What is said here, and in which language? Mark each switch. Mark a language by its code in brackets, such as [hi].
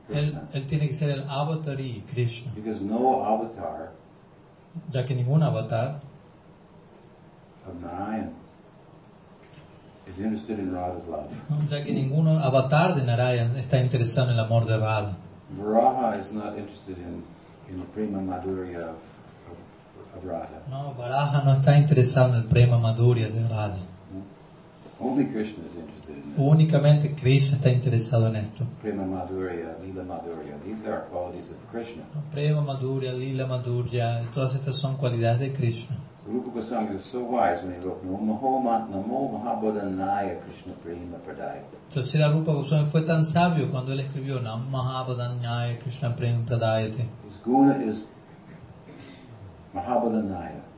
[es] él tiene que ser el avatari Krishna. [en] Because no avatar, [es] ya que ningún avatar [en] of Narayan is interested in Radha's love. [es] Ya que ningún avatar de Narayan está interesado en el amor de Radha. [en] Varaha is not interested in the prema madhurya of Radha. [es] No, Varaha no está interesado en el prema madhurya de Radha. [en] Only Krishna is interested in it. [es] Únicamente Krishna está interesado en esto. [en] Prema madhurya, lila madhurya, these are qualities of Krishna. [es] Prema madhurya, lila madhurya, todas estas son cualidades de Krishna. [en] Rupa Goswami was so wise when he wrote, [sa] "Namo Namo Mahabodhanaya Krishna Prema Pradaya." [es] Entonces Rupa Goswami fue tan sabio cuando él escribió, [sa] "Namo Mahabodhanaya Krishna Prema Pradaya." [en] His guna is Mahabodhanaya.